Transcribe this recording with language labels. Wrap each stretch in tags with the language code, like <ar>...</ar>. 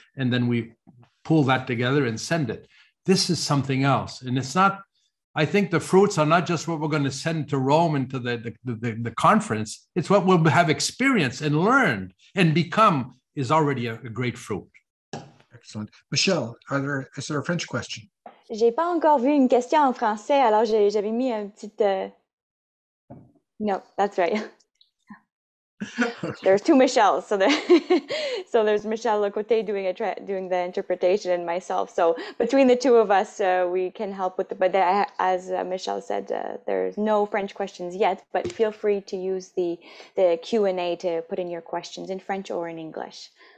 <en>And then we pull that together and send it. This is something else. And it's not, I think the fruits are not just what we're going to send to Rome and to the conference. It's what we'll have experienced and learned and become is already a great fruit. Excellent. Michelle, is there a French question?</en> <fr>J'ai pas encore vu une question en français, alors j'avais mis un petit...</fr> <en>No, that's right. There's two Michelles, so there's Michelle Lacroix doing doing the interpretation, and myself. So between the two of us, we can help with the. But as Michelle said, there's no French questions yet. But feel free to use the Q&A to put in your questions in French or in English.</en>